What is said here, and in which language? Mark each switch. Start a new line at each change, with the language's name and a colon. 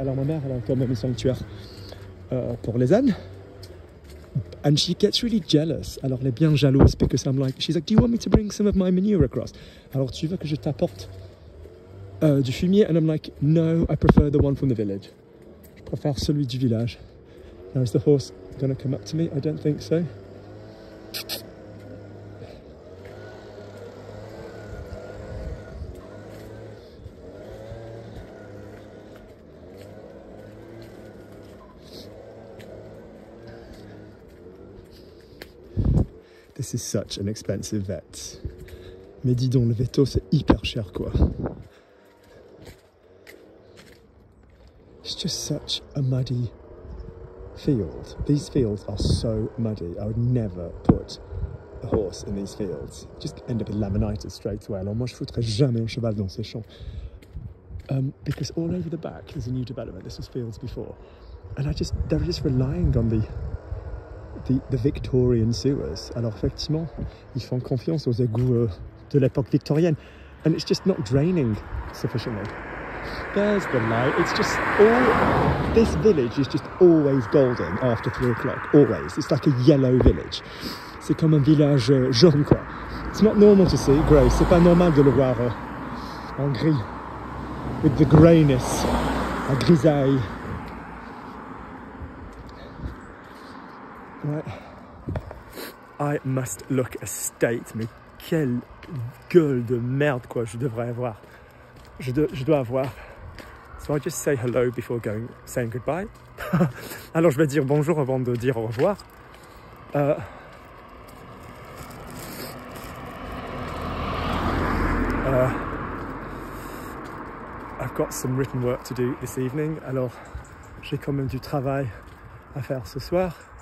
French: Alors ma mère, elle a quand même un sanctuaire pour les ânes.
English: And she gets really jealous.
French: Alors elle est bien jalouse
English: because I'm like, she's like, do you want me to bring some of my manure across?
French: Alors tu veux que je t'apporte du fumier?
English: And I'm like, no, I prefer the one from the village.
French: Je préfère celui du village.
English: Now is the horse gonna come up to me? I don't think so. This is such an expensive vet.
French: Mais dis donc, le veto, c'est hyper cher, quoi.
English: It's just such a muddy field. These fields are so muddy. I would never put a horse in these fields. Just end up with laminitis straight away.
French: Alors moi, je foutrais jamais un cheval dans ces champs.
English: Because all over the back, there's a new development. This was fields before. And they're just relying on the Victorian sewers.
French: Alors effectivement, ils font confiance aux égouts de l'époque victorienne.
English: And it's just not draining sufficiently. There's the light. It's just all... This village is just always golden after 3 o'clock. Always. It's like a yellow village.
French: C'est comme un village jaune, quoi.
English: It's not normal to see grey.
French: C'est pas normal de le voir en gris.
English: With the greyness. La grisaille. Right. I must look a state,
French: mais quelle gueule de merde quoi je devrais avoir. Je dois avoir.
English: So I just say hello before going saying goodbye.
French: Alors je vais dire bonjour avant de dire au revoir.
English: I've got some written work to do this evening.
French: Alors j'ai quand même du travail à faire ce soir.